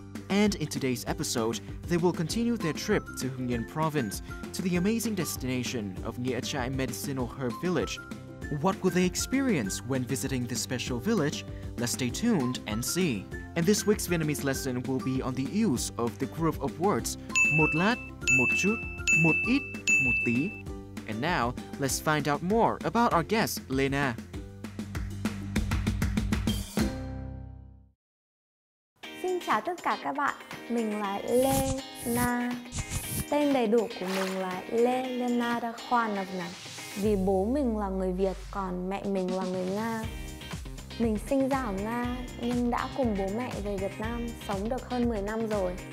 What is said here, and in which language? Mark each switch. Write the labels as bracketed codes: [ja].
[en] And in today's episode, they will continue their trip to Hưng Yên province, to the amazing destination of Nghĩa Trại Medicinal Herb Village. What will they experience when visiting this special village? Let's stay tuned and see. And this week's Vietnamese lesson will be on the use of the group of words một lát, một chút, một ít, một tí. And now, let's find out more about our guest, Lena. [vi] Xin chào tất cả các bạn, mình là Lena. Tên đầy đủ của mình là Lena Da Khoa Nập Nập. Vì bố mình là người Việt, còn mẹ mình là người Nga. Mình sinh ra ở Nga, nhưng đã cùng bố mẹ về Việt Nam sống được hơn 10 năm rồi.